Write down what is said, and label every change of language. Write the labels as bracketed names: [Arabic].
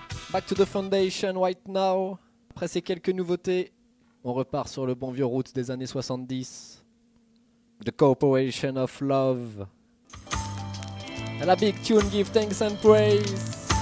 [English] Back to the Foundation right now. [French] Après ces quelques nouveautés, on repart sur le bon vieux route des années 70. [English] The Corporation of Love. And a big tune, give thanks and praise.